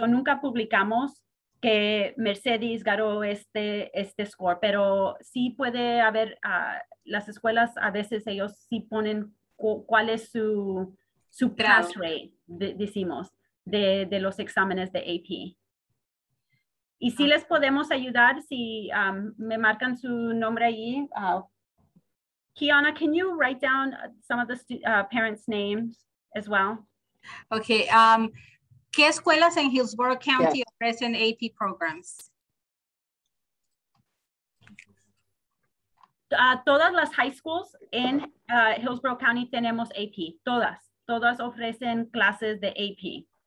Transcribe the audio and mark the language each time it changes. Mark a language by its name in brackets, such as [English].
[Spanish] So, nunca publicamos que Mercedes ganó este score, pero sí puede haber, las escuelas a veces ellos sí ponen cuál es su pass rate, decimos, de los exámenes de AP. Y sí les podemos ayudar, si me marcan su nombre allí. [English] Kiana, can you write down some of the parents' names as well? Okay. [Spanish] ¿Qué escuelas en Hillsborough County ofrecen AP programs? Todas las high schools en Hillsborough County tenemos AP, todas. Todas ofrecen clases de AP.